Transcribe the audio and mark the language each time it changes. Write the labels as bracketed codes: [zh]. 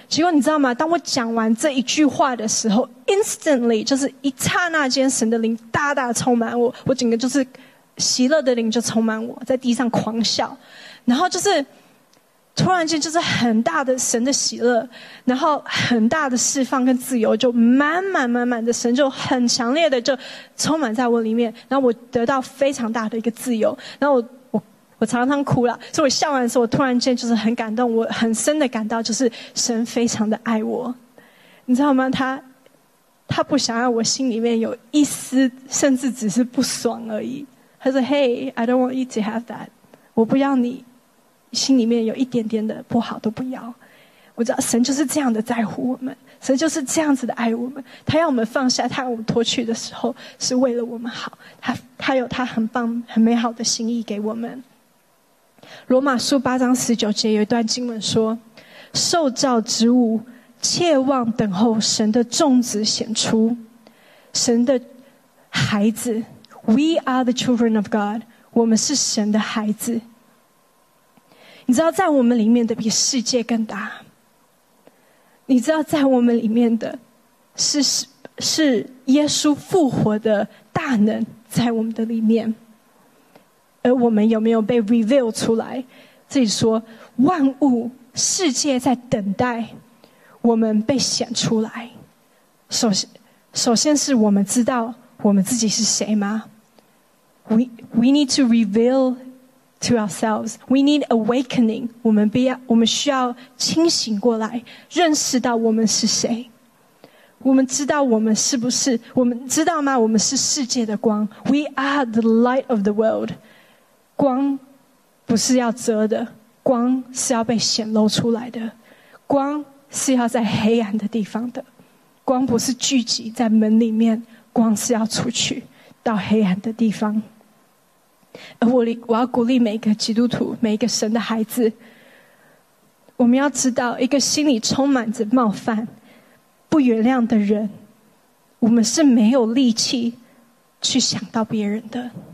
[zh] 结果你知道吗，当我讲完这一句话的时候， instantly 就是一刹那间，神的灵大大充满我，我整个就是喜乐的灵就充满我，在地上狂笑，然后就是突然间就是很大的神的喜乐，然后很大的释放跟自由，就满满满满的神就很强烈的就充满在我里面，然后我得到非常大的一个自由。然后我常常哭了，所以我笑完的时候，我突然间就是很感动，我很深的感到就是神非常的爱我，你知道吗？他不想让我心里面有一丝甚至只是不爽而已。他说 [en] Hey, I don't want you to have that. [zh] 我不要你心里面有一点点的不好，都不要。我知道神就是这样的在乎我们，神就是这样子的爱我们。他要我们放下，他要我们脱去的时候，是为了我们好。他有他很棒很美好的心意给我们。罗马书八章十九节有一段经文说，受造之物切望等候神的众子显出，神的孩子。 [en] We are the children of God， [zh] 我们是神的孩子。你知道在我们里面的比世界更大，你知道在我们里面的是耶稣复活的大能在我们的里面。而我们有没有被 reveal 出来，自己说万物世界在等待我们被显出来。首先是我们知道我们自己是谁吗？ [en] We need to revealto ourselves. We need awakening. [zh] 我们需要清醒过来，认识到我们是谁。我们知道我们是不是，我们知道吗？我们是世界的光。 [en] We are the light of the world. [zh] 光不是要遮的，光是要被显露出来的，光是要在黑暗的地方的，光不是聚集在门里面，光是要出去到黑暗的地方。而 我要鼓励每一个基督徒，每一个神的孩子，我们要知道一个心里充满着冒犯不原谅的人，我们是没有力气去想到别人的。